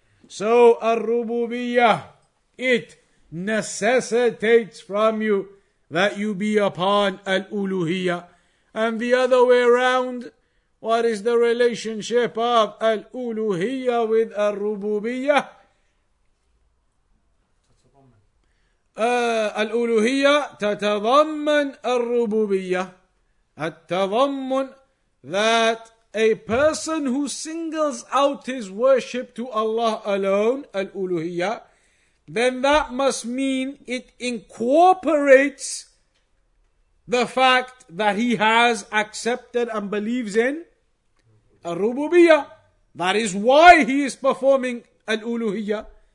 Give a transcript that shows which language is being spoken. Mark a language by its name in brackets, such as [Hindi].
[English] So, ar-rububiyyah, it necessitates from you that you be upon al-uluhiyyah. And the other way around, what is the relationship of al-uluhiyyah with ar-rububiyyah? [Arabic] الألوهية تتضمن الربوبية. [English] التضمن, that a person who singles out his worship to Allah alone, الألوهية, then that must mean it incorporates the fact that he has accepted and believes in الربوبية. That is why he is performing الألوهية.